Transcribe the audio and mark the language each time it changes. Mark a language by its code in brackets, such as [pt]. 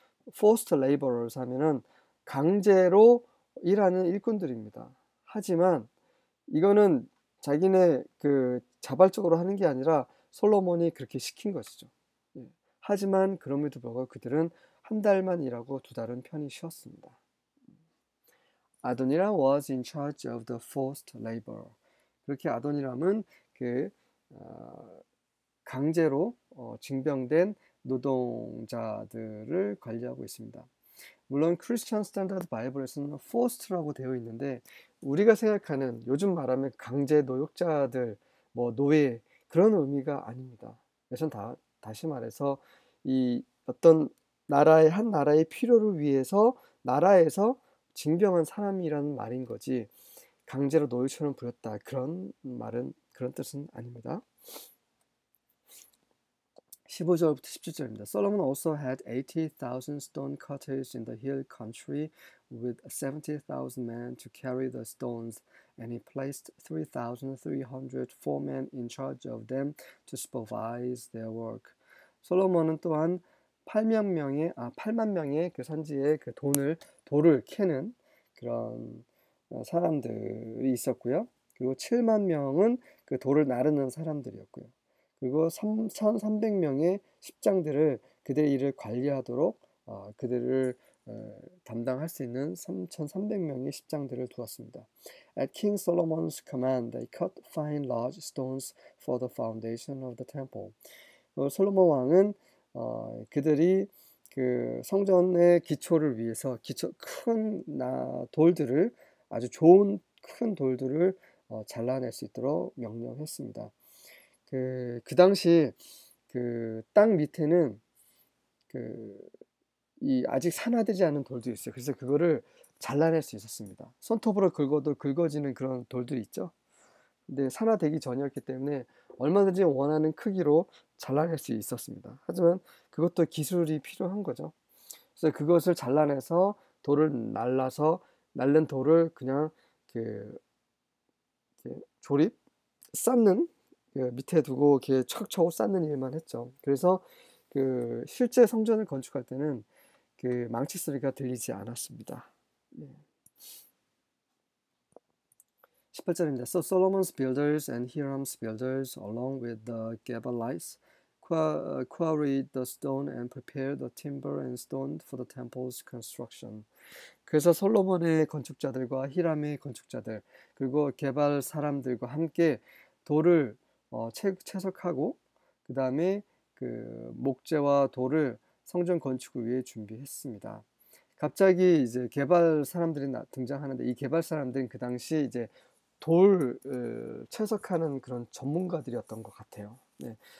[ko] Forced laborers 하면은 강제로 일하는 일꾼들입니다. 하지만 이거는 자기네 그 자발적으로 하는 게 아니라 솔로몬이 그렇게 시킨 것이죠. 하지만 그럼에도 불구하고 그들은 한 달만 일하고 두 달은 편히 쉬었습니다. [en] Adoniram was in charge of the forced labor. [ko] 그렇게 아도니람은 그 강제로 징병된 노동자들을 관리하고 있습니다. 물론 크리스천 스탠다드 바이블에서는 forced라고 되어 있는데, 우리가 생각하는 요즘 말하면 강제 노역자들, 뭐 노예 그런 의미가 아닙니다. 우선 다시 말해서 이 어떤 나라의 한 나라의 필요를 위해서 나라에서 징병한 사람이라는 말인 거지, 강제로 노예처럼 부렸다 그런 뜻은 아닙니다. 15절부터 17절입니다. [en] Solomon also had 80,000 stone cutters in the hill country with 70,000 men to carry the stones, and he placed 3,300 foremen in charge of them to supervise their work. [ko] 솔로몬은 또한 8만 명의 그 산지에 그 돌을 캐는 그런 사람들이 있었고요. 그리고 7만 명은 그 돌을 나르는 사람들이었고요. 그리고 3,300명의 십장들을 그들의 일을 관리하도록 그들을 담당할 수 있는 3,300명의 십장들을 두었습니다. [en] At King Solomon's command, they cut fine large stones for the foundation of the temple. [ko] 솔로몬 왕은 그들이 그 성전의 기초를 위해서 큰 돌들을 아주 좋은 큰 돌들을 잘라낼 수 있도록 명령했습니다. 그 당시 그땅 밑에는 아직 산화되지 않은 돌도 있어요. 그래서 그거를 잘라낼 수 있었습니다. 손톱으로 긁어도 긁어지는 그런 돌도 있죠. 근데 산화되기 전이었기 때문에 얼마든지 원하는 크기로 잘라낼 수 있었습니다. 하지만 그것도 기술이 필요한 거죠. 그래서 그것을 잘라내서 돌을 날라서 날른 돌을 그냥 조립, 쌓는 밑에 두고 이렇게 척척 쌓는 일만 했죠. 그래서 그 실제 성전을 건축할 때는 그 망치 소리가 들리지 않았습니다. 18절입니다. [en] So Solomon's builders and Hiram's builders, along with the Gebalites, quarried the stone and prepared the timber and stone for the temple's construction. [ko] 그래서 솔로몬의 건축자들과 히람의 건축자들, 그리고 게발 사람들과 함께 돌을 채석하고, 그 다음에 그 목재와 돌을 성전 건축을 위해 준비했습니다. 갑자기 이제 게발 사람들이 등장하는데, 이 게발 사람들은 그 당시 이제 돌 채석하는 그런 전문가들이었던 것 같아요. 네.